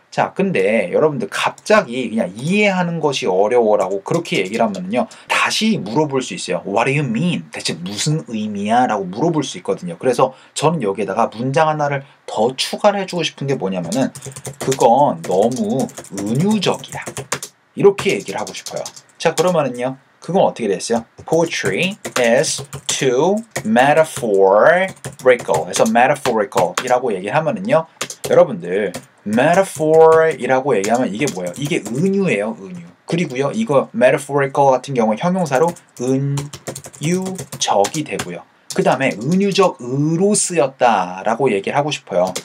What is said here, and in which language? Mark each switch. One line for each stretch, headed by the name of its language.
Korean: 자, 근데 여러분들 갑자기 그냥 이해하는 것이 어려워라고 그렇게 얘기를 하면은요. 다시 물어볼 수 있어요.
English: What do you mean?
Korean: 대체 무슨 의미야? 라고 물어볼 수 있거든요. 그래서 저는 여기에다가 문장 하나를 더 추가를 해주고 싶은 게 뭐냐면은 그건 너무 은유적이야. 이렇게 얘기를 하고 싶어요. 자, 그러면은요. 그건 어떻게 됐어요?
English: Poetry is too metaphorical.
Korean: 그래서 metaphorical 이라고 얘기를 하면은요. 여러분들 metaphor이라고 얘기하면 이게 뭐예요? 이게 은유예요, 은유. 그리고요, 이거 metaphorical 같은 경우는 형용사로 은유적이 되고요. 그 다음에 은유적으로 쓰였다라고 얘기를 하고 싶어요.